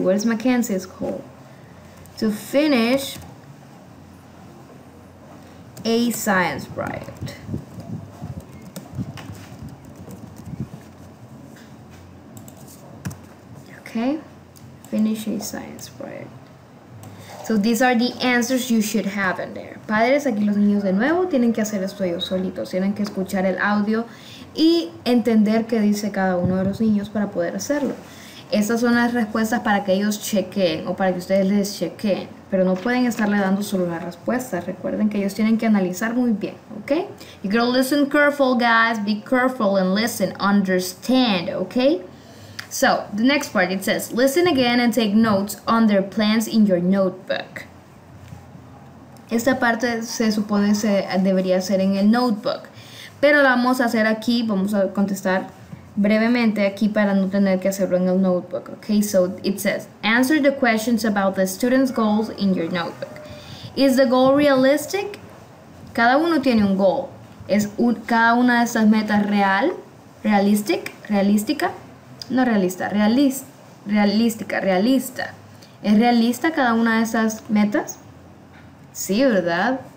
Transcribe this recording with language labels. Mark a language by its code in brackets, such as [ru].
[en] What is Mackenzie's goal? To finish a science project. okay? Finish a science project. So these are the answers you should have in there. [es] Padres, aquí los niños de nuevo tienen que hacer esto ellos solitos. Tienen que escuchar el audio y entender qué dice cada uno de los niños para poder hacerlo. Estas son las respuestas para que ellos chequeen o para que ustedes les chequeen. Pero no pueden estarle dando solo una respuesta. Recuerden que ellos tienen que analizar muy bien, okay? [en] You gotta listen careful, guys. Be careful and listen. Understand, okay? So, the next part, it says, listen again and take notes on their plans in your notebook. [es] Esta parte se supone se debería hacer en el notebook. Pero la vamos a hacer aquí, vamos a contestar brevemente aquí para no tener que hacerlo en el notebook. [en] Okay, so it says, answer the questions about the student's goals in your notebook. Is the goal realistic? [es] Cada uno tiene un [en] goal. [es] ¿Es cada una de estas metas real? Realistic? Realística? No realista, realista. ¿Es realista cada una de esas metas? Sí, ¿verdad?